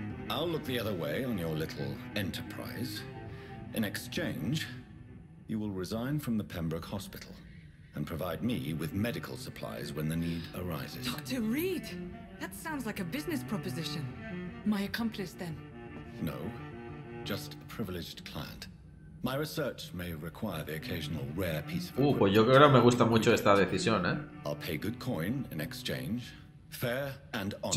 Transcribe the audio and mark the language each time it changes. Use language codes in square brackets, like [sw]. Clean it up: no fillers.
[en] I'll look the other way on your little enterprise. In exchange, you will resign from the Pembroke Hospital and provide me with medical supplies when the need arises. Dr. Reed, that sounds like a business proposition. My accomplice, then. No, just a privileged client. My research may require the occasional rare piece of equipment. [es] Pues yo creo que me gusta mucho esta decisión, ¿eh? [en] I'll pay good coin in exchange, fair and honest.